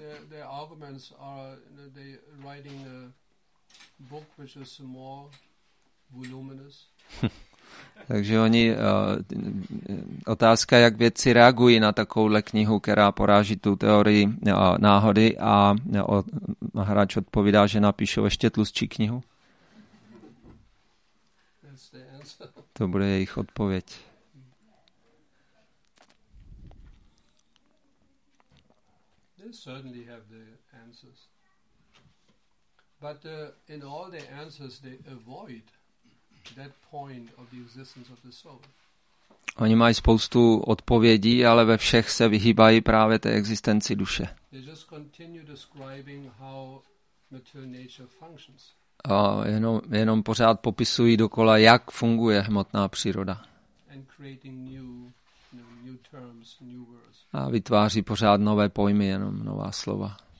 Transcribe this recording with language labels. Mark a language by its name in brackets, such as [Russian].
[English] Their arguments are, you know, they writing a book which is more voluminous. [Czech] Takže oni otázka, jak vědci reagují na takovouhle knihu, která poráží tu teorii náhody, a hráč odpovídá, že napíšou ještě tlustší knihu. To bude jejich odpověď. [English] Certainly have the answers, but in all the answers they avoid that point of the existence of the soul. [Czech] Oni mají spoustu odpovědí, ale ve všech se vyhýbají právě té existenci duše. [English] They just continue describing how material nature functions. [Czech] A jenom pořád popisují dokola, jak funguje hmotná příroda. [English] And creating new terms, new words. [Czech] A vytváří pořád nové pojmy, jenom nová slova.